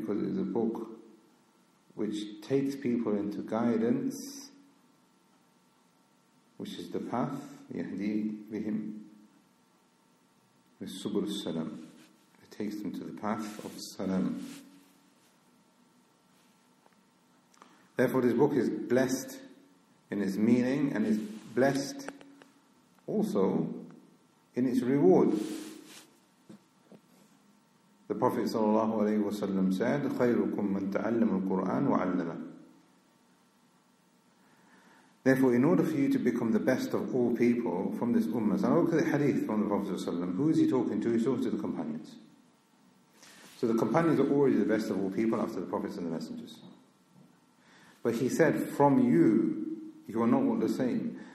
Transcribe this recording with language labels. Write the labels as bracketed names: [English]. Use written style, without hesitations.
[English] Because it is a book which takes people into guidance, which is the path, [Arabic] يهدي بهم السبل السلام. [English] It takes them to the path of salam. Therefore this book is blessed in its meaning and is blessed also in its reward. The Prophet [Arabic] صلى الله عليه وسلم said, خيركم من تعلم القرآن وعلمه. [English] Therefore, in order for you to become the best of all people from this ummah, and look at the hadith from the Prophet ﷺ, who is he talking to? He's talking to the companions. So the companions are already the best of all people after the prophets and the messengers. But he said, from you are not all the same.